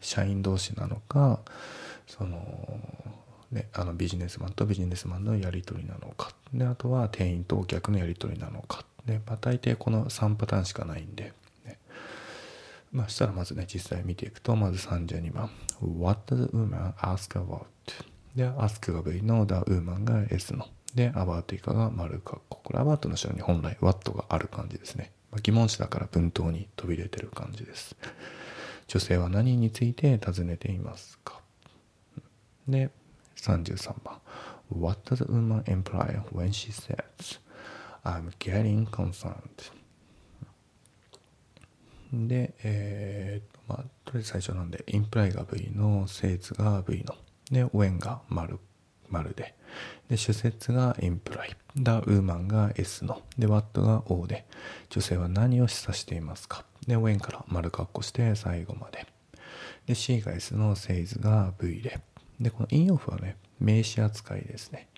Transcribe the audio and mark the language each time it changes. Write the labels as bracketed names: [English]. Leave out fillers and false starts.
[Japanese] 社員同士なのか、その、ね、ビジネスマンとビジネスマンのやり取りなのか、であとは店員とお客のやり取りなのか、で、まあ、大抵この3パターンしかないんで、ね、まあ、したらまずね実際見ていくと、まず32番、 [English] What does the woman ask about? [Japanese] で Ask が V の The woman が S ので、アバート以下が丸括弧。これアバートの後ろに本来 what がある感じですね。まあ、疑問詞だから文頭に飛び出てる感じです。女性は何について尋ねていますか。で、33番、 [English] What does a woman imply when she says I'm getting concerned? [Japanese] で、まあ、とりあえず最初なんで imply が V の、says が V ので、 when が丸で、で主説がインプライ、ダウーマンが S の、でワットが O で、女性は何を示唆していますか、でウェンから丸括弧して最後まで、で C が S の、セイズが V で、でこの引用符はね名詞扱いですね。